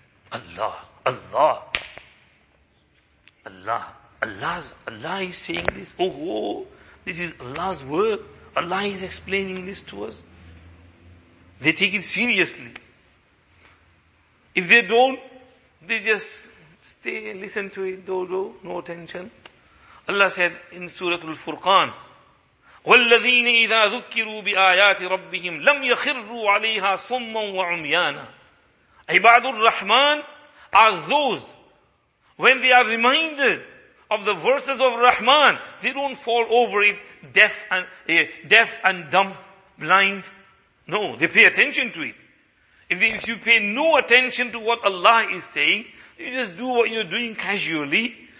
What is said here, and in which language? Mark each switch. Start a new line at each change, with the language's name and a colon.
English: Allah, Allah, Allah, Allah is saying this. Oh, oh, this is Allah's word. Allah is explaining this to us. They take it seriously. If they don't, they just stay and listen to it. Do, no attention. Allah said in Surah Al-Furqan,
Arabic: والذين إذا ذكروا بآيات ربهم لم يخروا عليها صما وعميانا. عباد الرحمن
English: are those, when they are reminded of the verses of Rahman, they don't fall over it deaf and dumb, blind. No, they pay attention to it. If you pay no attention to what Allah is saying, you just do what you're doing casually,